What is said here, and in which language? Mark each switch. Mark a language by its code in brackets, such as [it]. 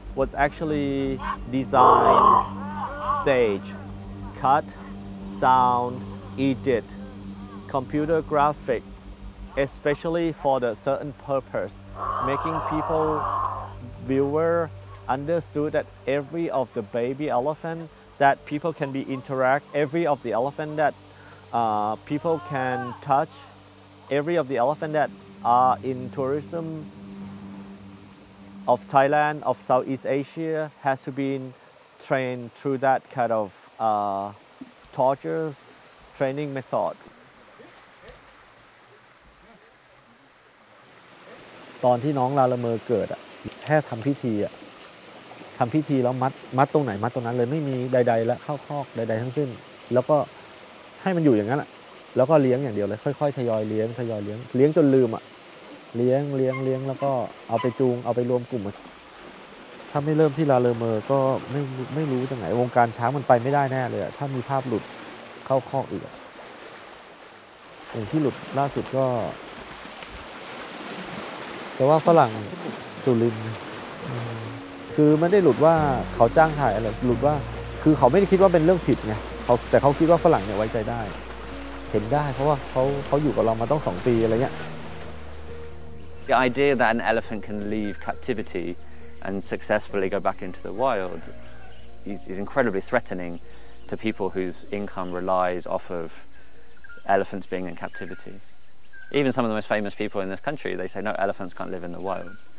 [en] was actually designed, staged, cut, sound, edit, computer graphic, especially for the certain purpose, making people, viewer, understood that every of the baby elephant that people can be interact, every of the elephant that people can touch, every of the elephant that are in tourism of Thailand, of Southeast Asia, has to be trained through that kind of torturous training method. [th] ตอนที่น้องลาละเมอเกิดอ่ะแค่ทำพิธีอ่ะทำพิธีแล้วมัดตรงไหนมัดตรงนั้นเลยไม่มีใดๆแล้วเข้าคอกใดๆทั้งสิ้นแล้วก็ให้มันอยู่อย่างนั้นแหละแล้วก็เลี้ยงอย่างเดียวเลยค่อยๆทยอยเลี้ยงทยอยเลี้ยงเลี้ยงจนลืมอ่ะเลี้ยงเลี้ยงเลี้ยงแล้วก็เอาไปจูงเอาไปรวมกลุ่มถ้าไม่เริ่มที่ลาเลอเมอร์ก็ไม่รู้จากไหนวงการช้างมันไปไม่ได้แน่เลยถ้ามีภาพหลุดเข้าคอกอีกอย่างที่หลุดล่าสุดก็ แต่ว่าฝรั่งสุรินทร์คือไม่ได้หลุดว่าเขาจ้างถ่ายอะไรหลุดว่าคือเขาไม่ได้คิดว่าเป็นเรื่องผิดไงเขาแต่เขาคิดว่าฝรั่งเนี่ยไว้ใจได้เห็นได้เพราะว่าเขาอยู่กับเรามาต้อง2ปีอะไรเงี้ย [en] The idea that an elephant can leave captivity and successfully go back into the wild is incredibly threatening to people whose income relies off of elephants being in captivity. Even some of the most famous people in this country, they say, no, elephants can't live in the wild.